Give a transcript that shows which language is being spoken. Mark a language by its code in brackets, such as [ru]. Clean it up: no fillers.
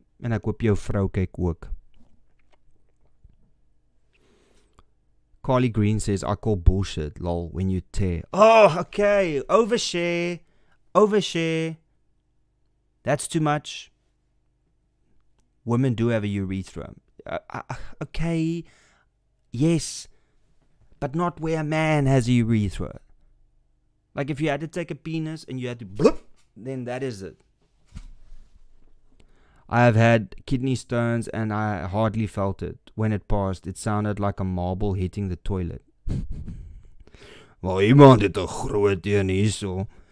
[af] En ek hoop jou vrou kyk ook. [en] Carly Green says, I call bullshit, lol, when you tear. Oh, okay. Overshare. That's too much. Women do have a urethra. Okay. Yes. But not where a man has a urethra. Like if you had to take a penis and you had to bloop, then that is it. I have had kidney stones and I hardly felt it. When it passed, it sounded like a marble hitting the toilet. [af] Well, iemand het 'n groot een hierso.